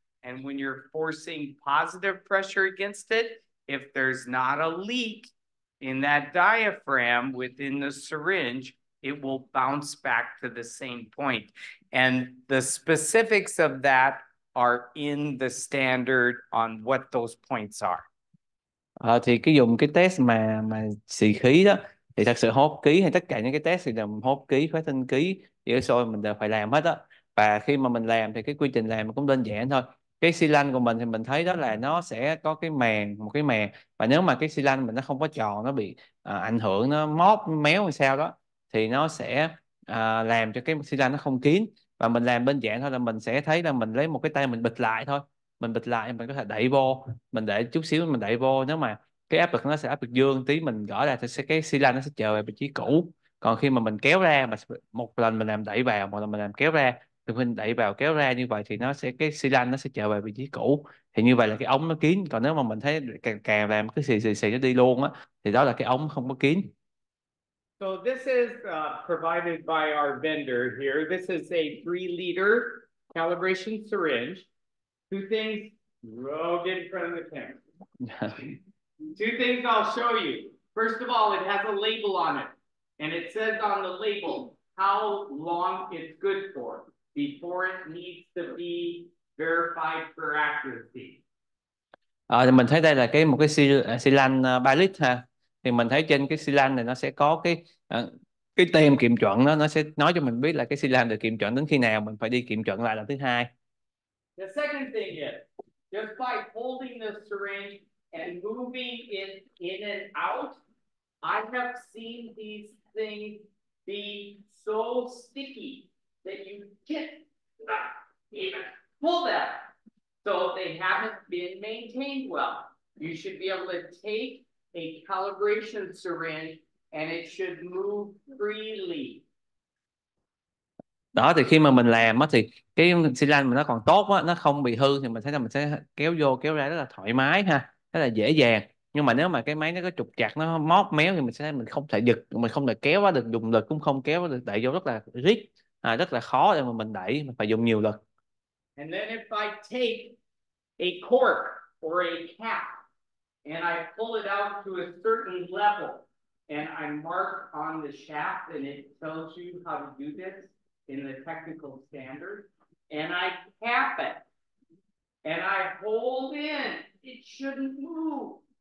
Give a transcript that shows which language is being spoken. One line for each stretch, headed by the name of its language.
English: And when you're forcing positive pressure against it, if there's not a leak in that diaphragm within the syringe, it will bounce back to the same point. And the specifics of that are in the standard on what those points are.
Vietnamese: À, thì cái dùng cái test mà xì khí đó, thì thật sự hốt ký hay tất cả những cái test thì là hốt ký, khói tinh ký, dễ sôi mình đều phải làm hết đó. Và khi mà mình làm thì cái quy trình làm cũng đơn giản thôi. Cái xi lanh của mình thì mình thấy đó là nó sẽ có cái màn, một cái màn. Và nếu mà cái xi lanh mình nó không có tròn, nó bị ảnh hưởng, nó móp, méo hay sao đó, thì nó sẽ làm cho cái xi lanh nó không kín. Và mình làm đơn giản thôi là mình sẽ thấy là mình lấy một cái tay mình bịch lại thôi. Mình bịch lại, mình có thể đẩy vô, mình để chút xíu mình đẩy vô. Nếu mà cái áp lực nó sẽ áp lực dương tí, mình gỡ ra thì sẽ, cái xi lanh nó sẽ trở về vị trí cũ. Còn khi mà mình kéo ra, mà một lần mình làm đẩy vào, một lần mình làm kéo ra, thì mình đẩy vào kéo ra như vậy thì nó sẽ, cái xi lanh nó sẽ trở về vị trí cũ. Thì như vậy là cái ống nó kín. Còn nếu mà mình thấy càng làm cái xì nó đi luôn á, thì đó là cái ống không có kín.
English: So this is provided by our vendor here. This is a 3-liter calibration syringe. Two things, rogue in front of the camera. Two things I'll show you. First of all, it has a label on it. And it says on the label how long it's good for before it needs to be verified for accuracy.
Vietnamese: Thì mình thấy đây là cái một cái xi lanh 3 lít ha. Thì mình thấy trên cái xi lanh này nó sẽ có cái tem kiểm chuẩn, nó sẽ nói cho mình biết là cái xi lanh được kiểm chuẩn đến khi nào mình phải đi kiểm chuẩn lại lần thứ hai.
English: The second thing is, just by holding the syringe and moving it in and out, I have seen these things be so sticky that you can't even pull that. So they haven't been maintained well. You should be able to take a calibration syringe and it should move freely.
Vietnamese: Đó, thì khi mà mình làm á, thì cái xi lanh mình nó còn tốt á, nó không bị hư, thì mình thấy là mình sẽ kéo vô kéo ra rất là thoải mái ha, rất là dễ dàng. Nhưng mà nếu mà cái máy nó có trục trặc, nó móp méo, thì mình sẽ thấy mình không thể giật, mình không thể kéo quá được, dùng lực cũng không kéo được, đẩy vô rất là rít, rất là khó để mà mình đẩy, mình phải dùng nhiều lực.
English: And then if I take a cork or a cap and I pull it out to a certain level and I mark on the shaft and it tells you how to do this in the technical standard, and I cap it, and I hold in, it shouldn't move.